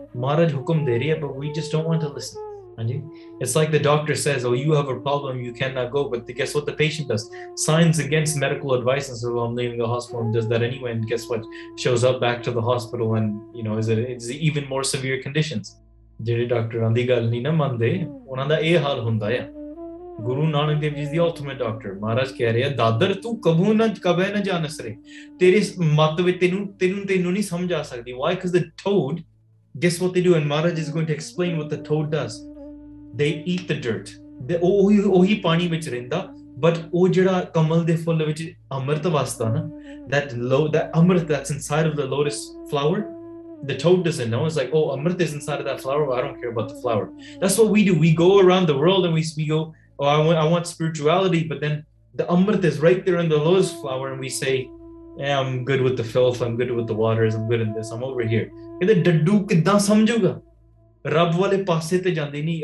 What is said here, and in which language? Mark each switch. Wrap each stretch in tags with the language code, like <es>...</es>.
<pa>Maharaj hukum de rahi hai,</pa> <en>but we just don't want to listen. It's like the doctor says, oh, you have a problem, you cannot go. But guess what the patient does? Signs against medical advice and says, well, I'm leaving the hospital and does that anyway. And guess what? Shows up back to the hospital and, you know, is it even more severe conditions.</en> <pa>ਜਿਹੜੇ doctor ਆਂਦੀ ਗੱਲ ਨਹੀਂ ਨਾ ਮੰਨਦੇ ਉਹਨਾਂ ਦਾ ਇਹ ਹਾਲ ਹੁੰਦਾ ਆ ਗੁਰੂ ਨਾਨਕ ਦੇਵ ਜੀ ਦੀ ਅਲਟੀਮੇਟ ਡਾਕਟਰ ਮਹਾਰਾਜ ਕਹਿ ਰਿਹਾ ਦਾਦਰ ਤੂੰ ਕਬੂ ਨਾ ਕਬੈ ਨਾ ਜਾ ਨਸਰੇ ਤੇਰੇ ਮਤ ਵਿੱਚ ਤੈਨੂੰ ਨਹੀਂ ਸਮਝ ਆ ਸਕਦੀ</pa> <en>why because the toad guess what they do and Maharaj is going to explain what the toad does they eat the dirt</en> <pa>ਉਹੀ ਪਾਣੀ ਵਿੱਚ ਰਹਿੰਦਾ ਬਟ ਉਹ ਜਿਹੜਾ ਕਮਲ ਦੇ ਫੁੱਲ ਵਿੱਚ ਅੰਮ੍ਰਿਤ ਵਸਦਾ ਨਾ</pa> <en>That lo that amrit that's inside of the lotus flower. The toad doesn't know. It's like, oh, amrit is inside of that flower. Well, I don't care about the flower. That's what we do. We go around the world and we go, oh, I want spirituality. But then the amrit is right there in the lotus flower. And we say, yeah, I'm good with the filth. I'm good with the waters. I'm good in this. I'm over here.</en> <pa>And then daddu kiddan samjuga? Rab wale paase te jande ni.</pa>